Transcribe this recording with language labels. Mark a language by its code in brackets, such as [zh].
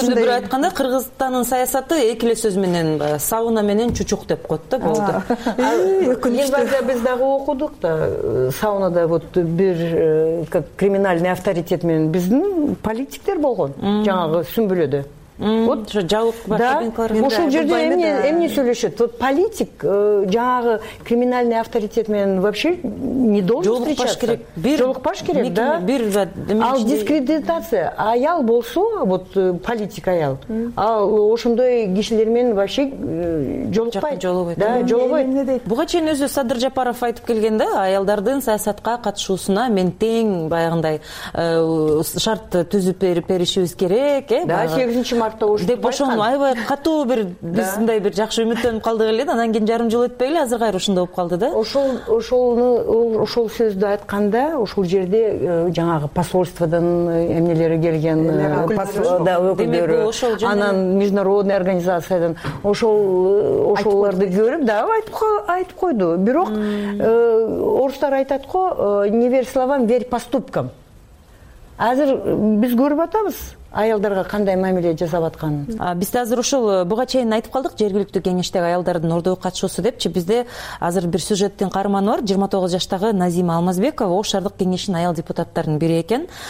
[ky] ушундай бир айтканда, Кыргызстандын саясаты эки эле сөз менен сауна менен чучук деп коёт да, болду. Январда биз дагы окудук да, саунада вот бир как криминальный авторитет менен биздин политиктер болгон жанагы сүмбүлөдө. [ru] Вот же жалок [ky] башкабинкалар. Ошол жерде эмне сүйлөшөт? [ru] Вот политик [ky] жаңагы [ru] криминальный авторитет [ky] менен [ru] вообще не должен встречаться. [ky] Жолукпаш керек, да? Бир ал дискредитация. Аял болсо, вот политик аял. Ал ошондой кишилер менен вообще жолукпайт. Да, жолугойт. Буга чейин өзү Садыр Жапаров айтып келген да, аялдардын саясатка катышуусуна мен тең баягындай шарт түзүп беришибиз керек, э? Да, 8-ci деп ошону аябай катуу бир биз мындай бир жакшы үмүттөнүп калдык эле да, анан кийин жарым жыл өтпөй эле азыр кайра ушундай болуп калды да. Ошол сөздү айтканда ошол жерде жанагы посольстводон эмнелери келген өкүлдөрү, анан международный организациядан ошолорду көрүп да айтып койду. Бирок орустар айтат го, [ru] не верь словам, верь поступкам. [ky] Азыр биз көрүп атабыз аялдарга кандай мамиле жасап атканын. Биз азыр ушул буга чейин айтып калдык жергиликтүү кеңештеги аялдардын ордогу катышуусу депчи. Бизде азыр бир сюжеттин каарманы бар, 29 жаштагы Назима Алмазбекова Ош шаардык кеңешинин аял депутаттарынын бири экен.